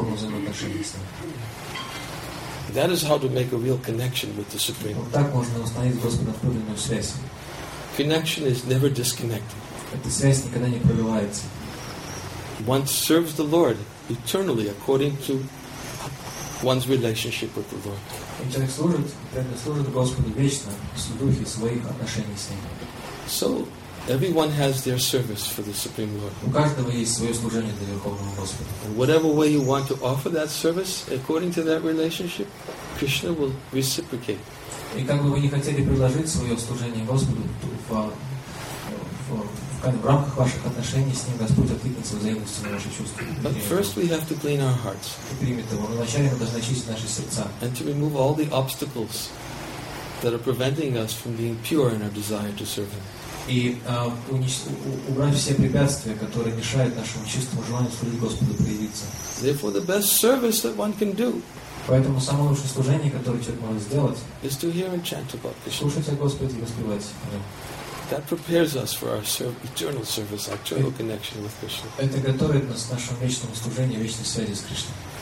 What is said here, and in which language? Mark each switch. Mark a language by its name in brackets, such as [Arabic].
[English] That is how to make a real connection with the Supreme. [Russian] Так можно установить с Господом подлинную связь. [English] Connection is never disconnected. [Russian] Эта связь никогда не прерывается. [English] One serves the Lord eternally according to one's relationship with the Lord. [Russian] Человек служит Господу вечно в духе своих отношений с Ним. [English] So everyone has their service for the Supreme Lord. [Russian] У каждого есть свое служение для Верховного Господа. [English] In whatever way you want to offer that service, according to that relationship, Krishna will reciprocate. [Russian] И как бы вы не хотели предложить свое служение Господу в рамках ваших отношений с Ним, Господь откликнется взаимностью на ваши чувства. [English] But first we have to clean our hearts. [Russian] Примет его. Но вначале мы должны очистить наши сердца. [English] And to remove all the obstacles that are preventing us from being pure in our desire to serve Him. [Russian] И убрать все препятствия, которые мешают нашему чистому желанию служить Господу проявиться. [English] Therefore, the best service that one can do. [Russian] Поэтому самое лучшее служение, которое человек может сделать, [English] is to hear and chant about Krishna. [Russian] Слушать о Господе и воспевать о нем. [English] That prepares us for our eternal service, our eternal connection with Krishna. [Russian] Это готовит нас к нашему вечному служению, вечной связи с Кришной.